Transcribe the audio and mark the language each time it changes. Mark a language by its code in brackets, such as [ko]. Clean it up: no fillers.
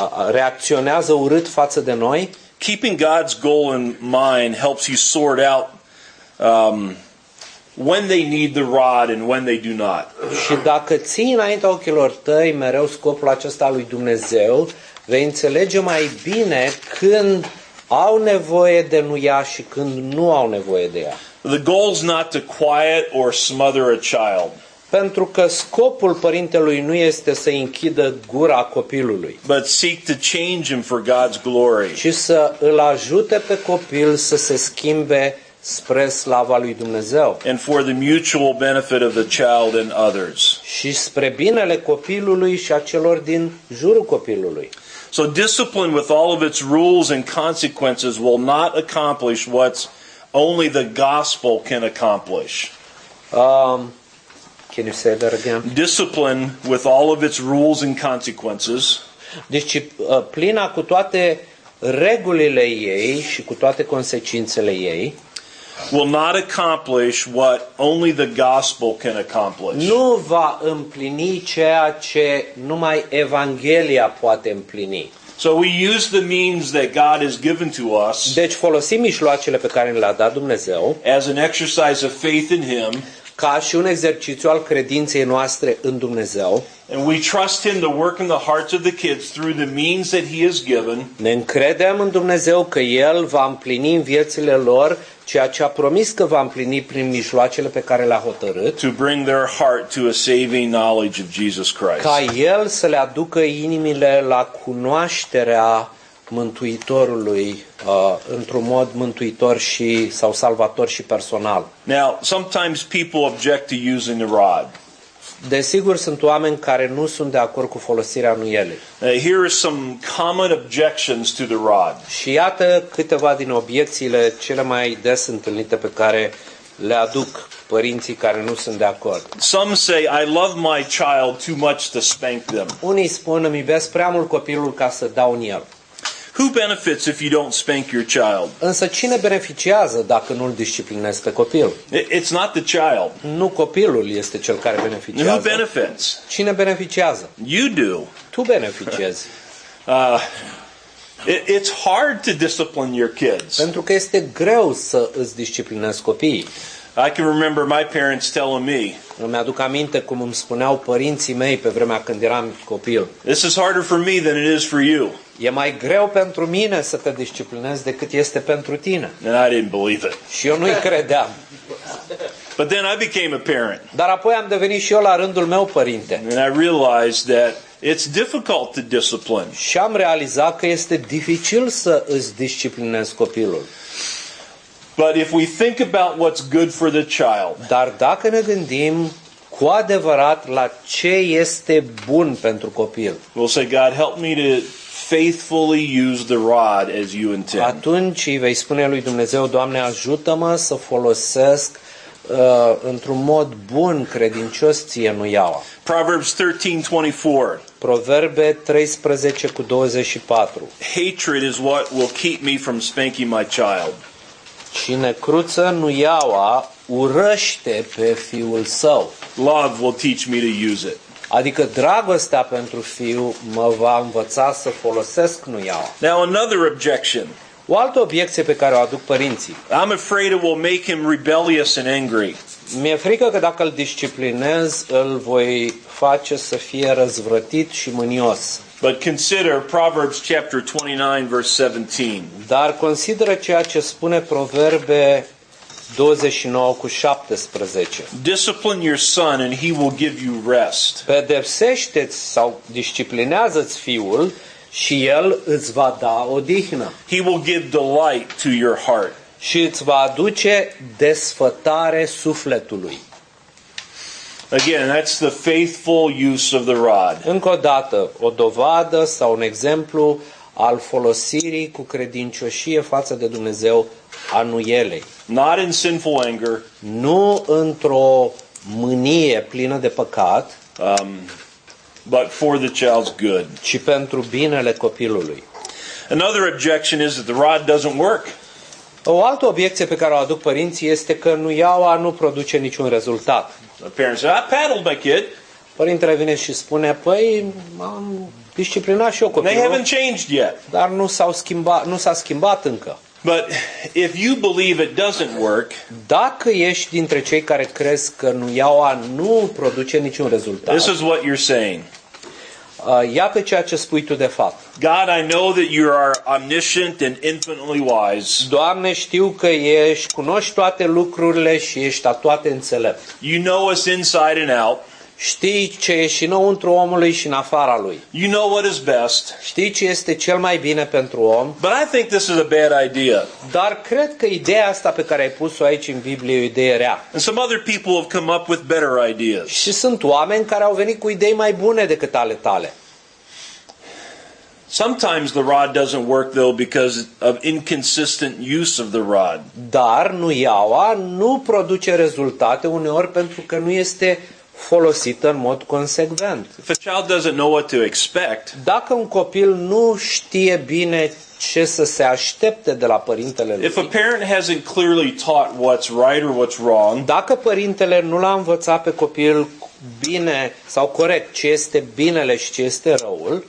[ro] reacționează urât față de noi. [en] Keeping God's goal in mind helps you sort out when they need the rod and when they do not. [ro] Și dacă ții înaintea ochilor tăi mereu scopul acesta al lui Dumnezeu, vei înțelege mai bine când au nevoie de nuia și când nu au nevoie de ea. [en] The goal is not to quiet or smother a child. [ro] Pentru că scopul părintelui nu este să închidă gura copilului. [en] But seek to change him for God's glory. [ro] Ci să îl ajute pe copil să se schimbe spre slava lui Dumnezeu. [en] And for the mutual benefit of the child and others. [ro] Și spre binele copilului și a celor din jurul copilului. [en] So discipline with all of its rules and consequences will not accomplish what only the gospel can accomplish. Can you say that again? Discipline with all of its rules and consequences. [ro] Disciplina cu toate regulile ei și cu toate consecințele ei [en] will not accomplish what only the gospel can accomplish. [ro] Nu va împlini ceea ce numai Evanghelia poate împlini. [en] So we use the means that God has given to us. [ro] Deci folosim mijloacele pe care ni le-a dat Dumnezeu. [en] As an exercise of faith in him. [ro] Ca și un exercițiu al credinței noastre în Dumnezeu. [en] And we trust him to work in the hearts of the kids through the means that he has given. [ro] Ne încredem în Dumnezeu că el va împlini în viețile lor ceea ce a promis că va împlini prin mijloacele pe care le-a hotărât. [en] To bring their heart to a saving knowledge of Jesus Christ. [ro] Ca el să le aducă inimile la cunoașterea Mântuitorului într-un mod mântuitor și sau salvator și personal. [en] Now, sometimes people object to using the rod. [ro] Desigur sunt oameni care nu sunt de acord cu folosirea nuielei. [en] Here are some common objections to the rod. [ro] Și iată câteva din obiecțiile cele mai des întâlnite pe care le aduc părinții care nu sunt de acord. [en] Some say I love my child too much to spank them. [ro] Unii spun îmi iubesc prea mult copilul ca să dau în el. [en] Who benefits if you don't spank your child? [ro] Însă cine beneficiază dacă nu-l disciplinezi pe copil? [en] It's not the child. [ro] Nu copilul este cel care beneficiază. [en] Who benefits? [ro] Cine beneficiază? [en] You do. [ro] Tu beneficiezi. [en] It's hard to discipline your kids. [ro] Pentru că este greu să îți disciplinezi copiii. [en] I can remember my parents telling me. [ro] Îmi aduc aminte cum îmi spuneau părinții mei pe vremea când eram copil. [en] This is harder for me than it is for you. [ro] E mai greu pentru mine să te disciplinez decât este pentru tine. [en] And I didn't believe it. [ro] Și eu nu-i credeam. [en] But then I became a parent. [ro] Dar apoi am devenit și eu la rândul meu părinte. [en] And I realized that it's difficult to discipline. [ro] Și am realizat că este dificil să îți disciplinezi copilul. [en] But if we think about what's good for the child. [ro] Dar dacă ne gândim cu adevărat la ce este bun pentru copil. [en] We'll say, God, help me to faithfully use the rod as you intend. [ro] Atunci vei spune lui Dumnezeu, Doamne, ajută-mă să folosesc într-un mod bun, credincios ție nuiaua. [en] Proverbs 13:24. [ro] Proverbe 13:24. [en] Hatred is what will keep me from spanking my child. [ro] Cine cruță nuiaua urăște pe fiul său. [en] Love will teach me to use it. [ro] Adică dragostea pentru fiu mă va învăța să folosesc nuiaua. [en] Now another objection. [ro] O altă obiecție pe care o aduc părinții. [en] I'm afraid it will make him rebellious and angry. [ro] Mi-e frică că dacă îl disciplinez, îl voi face să fie răzvrătit și mânios. [en] But consider Proverbs chapter 29 verse 17. [ro] Dar consideră ceea ce spune Proverbe 29:17. [en] Discipline your son and he will give you rest. [ro] Pedepsește-ți sau disciplinează-ți fiul și el îți va da odihnă. [en] He will give delight to your heart. [ro] Și îți va aduce desfătare sufletului. [en] Again, that's the faithful use of the rod. [ro] Încă o dată, o dovadă sau un exemplu al folosirii cu credincioșie față de Dumnezeu a nuielei. [en] Not in sinful anger. [ro] Nu într-o mânie plină de păcat. [en] But for the child's good. [ro] Ci pentru binele copilului. [en] Another objection is that the rod doesn't work. [ro] O altă obiecție pe care o aduc părinții este că nuiaua nu produce niciun rezultat. [en] Parents, I paddled my kid. [ro] Părintele vine și spune, păi, am disciplina și eu copilul. [en] They haven't changed yet. [ro] Dar nu s-a schimbat încă. [en] But if you believe it doesn't work, [ro] dacă ești dintre cei care crezi că iaua nu produce niciun rezultat. [en] This is what you're saying. [ro] Iată ceea ce spui tu de fapt. [en] God, I know that you are omniscient and infinitely wise. [ro] Doamne, știu că ești, cunoști toate lucrurile și ești a toate înțelept. [en] You know us inside and out. [ro] Știi ce e și înăuntru omului și în afara lui. [en] You know what is best. [ro] Știi ce este cel mai bine pentru om. [en] But I think this is a bad idea. [ro] Dar cred că ideea asta pe care ai pus-o aici în Biblie e o idee rea. [en] And some other people have come up with better ideas. [ro] Și sunt oameni care au venit cu idei mai bune decât ale tale. [en] Sometimes the rod doesn't work though because of inconsistent use of the rod. [ro] Dar nuiaua nu produce rezultate uneori pentru că nu este folosită în mod consecvent. [en] If a child doesn't know what to expect, [ro] dacă un copil nu știe bine ce să se aștepte de la părintele lui, [en] if a parent hasn't clearly taught what's right or what's wrong, [ro] dacă părintele nu l-a învățat pe copil bine sau corect ce este binele și ce este răul,